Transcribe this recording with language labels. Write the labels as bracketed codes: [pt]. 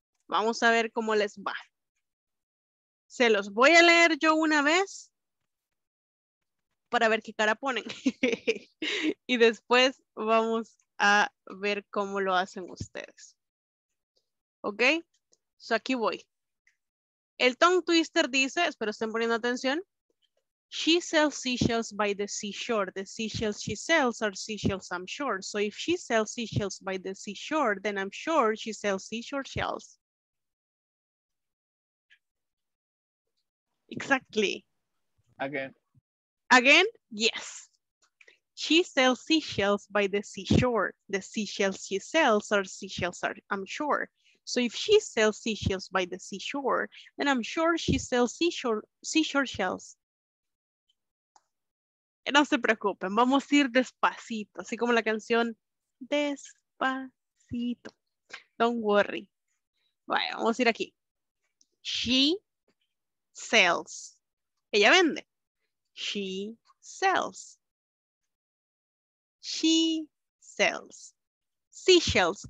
[es] Vamos a ver cómo les va. Se los voy a leer yo una vez para ver qué cara ponen. Y después vamos a ver cómo lo hacen ustedes. ¿Ok? So aquí voy. El tongue twister dice, espero estén poniendo atención. [en] She sells seashells by the seashore. The seashells she sells are seashells, I'm sure. So if she sells seashells by the seashore, then I'm sure she sells seashore shells. Exactly. Again. Again? Yes. She sells seashells by the seashore. The seashells she sells are seashells, I'm sure. So if she sells seashells by the seashore, then I'm sure she sells seashore shells. [es] No se preocupen, vamos a ir despacito, así como la canción Despacito. [en] Don't worry. [es] Bueno, vamos a ir aquí. [en] She sells. [es] Ella vende. [en] She sells. She sells. Seashells.